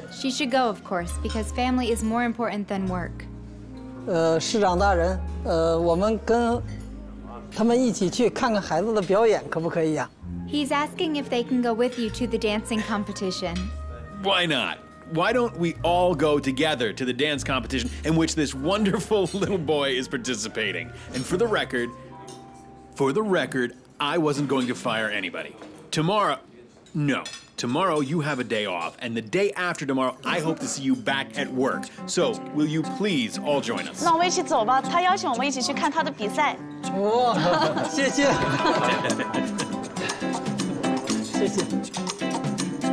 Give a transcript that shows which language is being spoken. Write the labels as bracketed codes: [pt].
[en] She should go, of course, because family is more important than work. [zh] 市长大人，我们跟他们一起去看看孩子的表演，可不可以呀？ [en] He's asking if they can go with you to the dancing competition. Why not? Why don't we all go together to the dance competition in which this wonderful little boy is participating? And for the record, I wasn't going to fire anybody. Tomorrow, no. Tomorrow you have a day off, and the day after tomorrow, I hope to see you back at work. So, will you please all join us? [zh] 那我们一起走吧，他邀请我们一起去看他的比赛。哇，谢谢，谢谢。